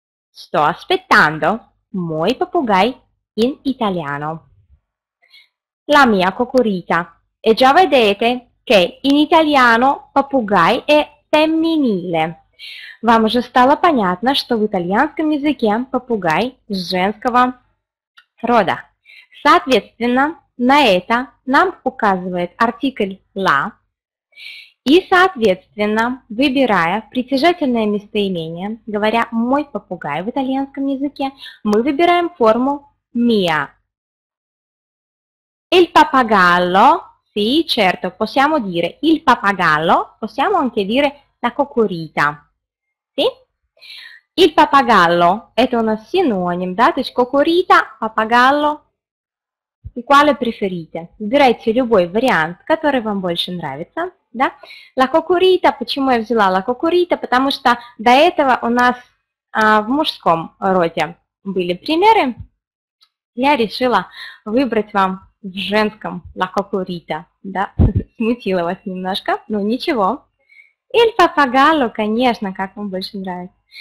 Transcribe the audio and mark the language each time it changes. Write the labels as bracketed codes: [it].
[it] Sto aspettando. [ru] Muoi papugai [it] in italiano. La mia cocorita. E già vedete che in italiano papugai è femminile. [ru] Вам уже стало понятно, что в итальянском языке попугай женского рода. Соответственно, на это нам указывает артикль «la». И, соответственно, выбирая притяжательное местоимение, говоря «мой попугай» в итальянском языке, мы выбираем форму «mia». [it] Il papagallo, sì, certo, possiamo dire il papagallo, possiamo anche dire la cocorita. Sì? Il papagallo è un sinonimo, date cocorita, papagallo, il quale preferite? Direte il vostro variante, che vi piace più. [ru] Да? La cocorita, почему я взяла la cocorita? Потому что до этого у нас в мужском роде были примеры. Я решила выбрать вам в женском la cocorita. Да? Смутила вас немножко, но ничего. Il papagallo, конечно, как вам больше нравится.